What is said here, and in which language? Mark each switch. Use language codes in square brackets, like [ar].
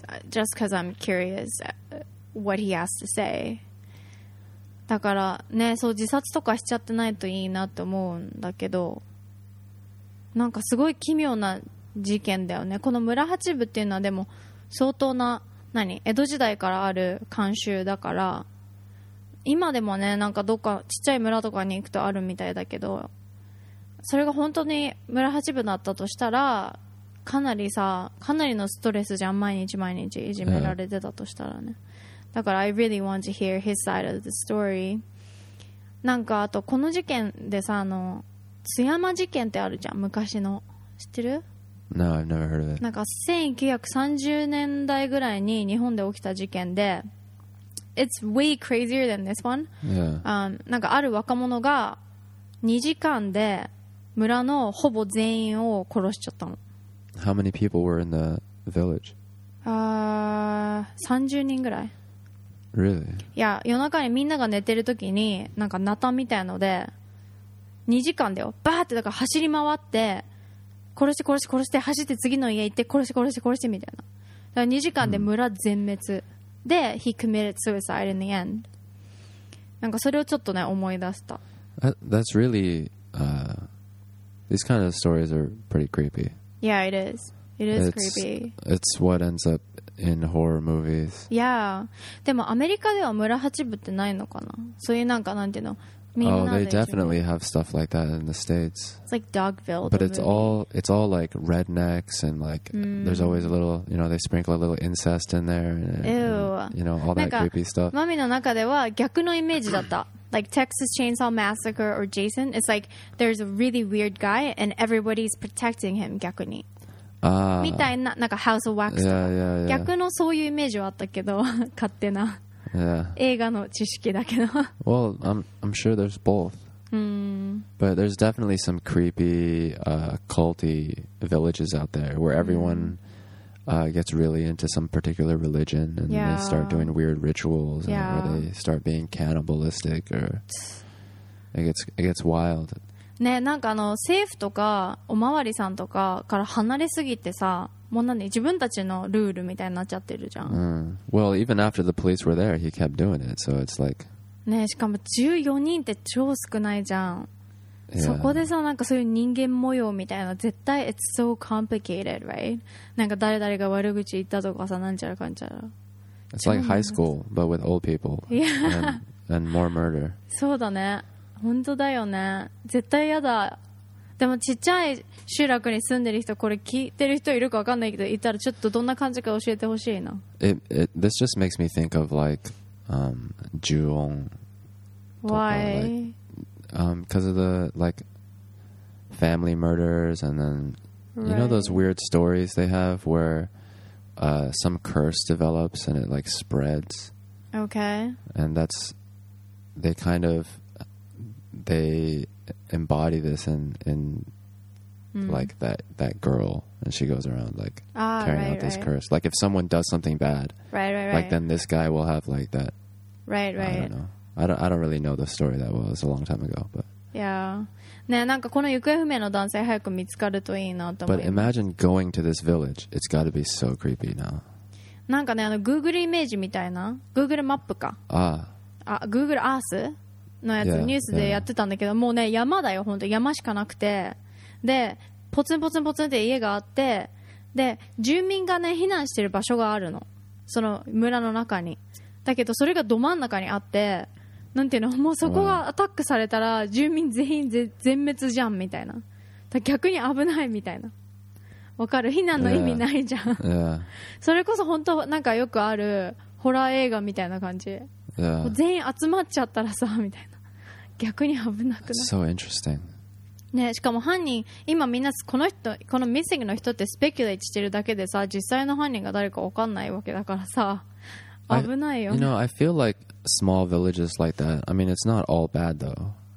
[en] Just because I'm curious what he has to say. [ja] だからね、そう、自殺とかしちゃってないといいなと思うんだけど、なんかすごい奇妙な事件だよね。この村八分っていうのはでも相当な、何、江戸時代からある慣習だから、今でもね、なんかどっかちっちゃい村とかに行くとあるみたいだけど、それが本当に村八分だったとしたら、かなりさ、かなりのストレスじゃん、毎日毎日いじめられてたとしたらね。だから [en] I really want to hear his side of the story。 [ja] なんかあとこの事件でさ、あの津山事件ってあるじゃん、昔の、知ってる？ [en] No, I've never heard of it. [ja] なんか1930年代ぐらいに日本で起きた事件で、 [en] It's way crazier than this one. Yeah. [ja] なんかある若者が2時間で村のほぼ全員を殺しちゃったの。 [en] How many people were in the village? [ja] 30人ぐらい。 [en] Really? [ja] いや、夜中にみんなが寝てる時に、なんかナタみたいので、2時間だよ。バーってだから走り回って、殺し殺し殺して走って次の家行って殺し殺し殺してみたいな。だから2時間で村全滅、うん、で [en] he committed suicide in the end。 [ja] なんかそれをちょっとね思い出した。 [en] That's really these kind of stories are pretty creepy. Yeah, it is. It is creepy. It's what ends up in horror movies. Yeah. [ja] でもアメリカでは村八分ってないのかな。そういうなんかなんていうの。 [en] Oh, they definitely have stuff like that in the States. It's like Dogville. But it's all like rednecks and like there's always a little, you know, they sprinkle a little incest in there and you know, all that creepy stuff. [ja] マミの中では逆のイメージだった。 [en] Like Texas Chainsaw Massacre or Jason, it's like there's a really weird guy and everybody's protecting him, [ja] 逆に。みたいな、なんか House of Wax とか。 [en] Yeah. [ja] 逆のそういうイメージはあったけど、勝手な。 [en] Yeah. [ja] 映画の知識だけど。 [en] Well, I'm sure there's both. But there's definitely some creepy, culty villages out there where everyone gets really into some particular religion and yeah. they start doing weird rituals yeah. and where they start being cannibalistic or it gets wild. [ja] ね、なんかあの政府とかおまわりさんとかから離れすぎてさ、もうなんで自分たちのルールみたいになっちゃってるじゃん。 [en] Well, even after the police were there, he kept doing it, so it's like... [ja] ね、しかも14人って超少ないじゃん。 [en] Yeah. [ja] そこでさ、なんかそういう人間模様みたいな、絶対 [en] it's so complicated, right? [ja] なんか誰々が悪口言ったとかさ、なんちゃらかんちゃら。 [en] It's like high school, but with old people. Yeah. And more murder. [ja] そうだね。本当だよね。絶対やだ。でもちっちゃい集落に住んでる人、これ聞いてる人いるかわかんないけど、いたらちょっとどんな感じか教えてほしいな。 [en] This just makes me think of like, Ju-on. Why? Because of the like family murders and then right. you know those weird stories they have where some curse develops and it like spreads. Okay. And that's they kind of they embody this in like that girl and she goes around like carrying out this curse. Like if someone does something bad, right. like then this guy will have like that. Right. I don't know. I don't really know the story that well. It's a long time ago, but yeah. [ja] ね、なんかこの行方不明の男性早く見つかるといいなと思う。 [en] But imagine going to this village. It's got to be so creepy now. [ja] なんかね、あの Google イメージみたいな、Google マップか。Google Earth のやつ、 [en] yeah. [ja] ニュースでやってたんだけど、 [en] yeah. [ja] もうね山だよ本当、山しかなくて、でポツンポツンポツンって家があって、で住民がね避難してる場所があるの、その村の中に。だけどそれがど真ん中にあって、なんていうの、もうそこがアタックされたら住民全員全滅じゃんみたいな。だから逆に危ないみたいな。わかる？避難の意味ないじゃん。 [en] Yeah. [ja] それこそ本当なんかよくあるホラー映画みたいな感じ。 [en] Yeah. [ja] 全員集まっちゃったらさみたいな。逆に危なくない？ [en] So interesting. [ja] ね、しかも犯人今みんなこの人このミッシングの人ってスペキュレートしてるだけでさ、実際の犯人が誰かわかんないわけだからさ。 [en] You know, I feel like small villages like that, I mean, it's not all bad though.